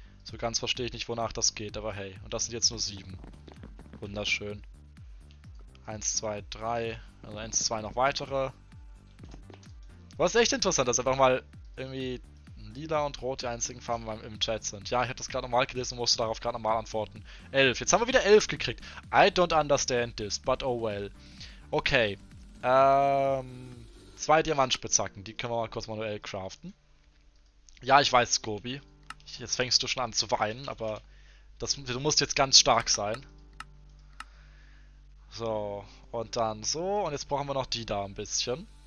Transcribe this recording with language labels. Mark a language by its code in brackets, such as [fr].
[de] So ganz verstehe ich nicht, wonach das geht, aber hey. Und das sind jetzt nur 7. Wunderschön. 1, 2, 3, also 1, 2 noch weitere. Was echt interessant ist, einfach mal irgendwie lila und rot die einzigen Farben im Chat sind. Ja, ich habe das gerade nochmal gelesen und musste darauf gerade nochmal antworten. 11, jetzt haben wir wieder 11 gekriegt. [en] I don't understand this, but oh well. [de] Okay, zwei Diamantspitzhacken, die können wir mal kurz manuell craften. Ja, ich weiß, Scobie, jetzt fängst du schon an zu weinen, aber du musst jetzt ganz stark sein. So, und dann so. Und jetzt brauchen wir noch die da ein bisschen.